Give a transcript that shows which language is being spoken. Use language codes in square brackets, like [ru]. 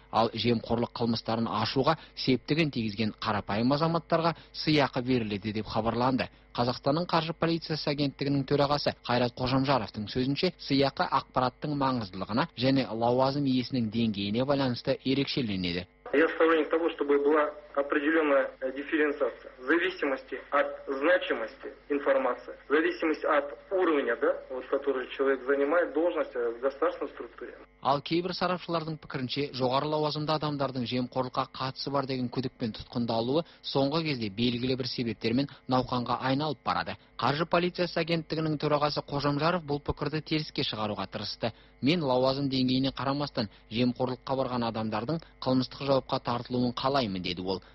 [kk] Ал жемқорлық қылмыстарын ашуға септігін тигізген қарапайым азаматтарға сыйақы беріледі деп хабарланды. Қазақстанның қаржы полициясы агенттігінің төрағасы Қайрат Қожамжаровтың сөзінше, сыйақы ақпараттың маңыздылығына және лауазым иесінің деңгейіне байланысты ерекшеленеді. [ru] Я сторонник того, чтобы была определенная дифференциация в зависимости от значимости информации, в зависимости от уровня, да, вот, который человек занимает должность в государственной структуре. [kk] Ал кейбір сарапшылардың пікірінше, жоғары лауазымды адамдардың жемқорлыққа қатысы бар деген күдікпен тұтқындалуы соңғы кезде белгілі бір себептермен науқанға айналып барады. Қаржы полициясы агенттігінің төрағасы Қожамжаров бұл пікірді теріске шығаруға тырысты. Мен лауазым деңгейіне қарамастан жемқорлыққа барған адамдардың қылмыстық жауапқа тартылуын қалаймын деді ол.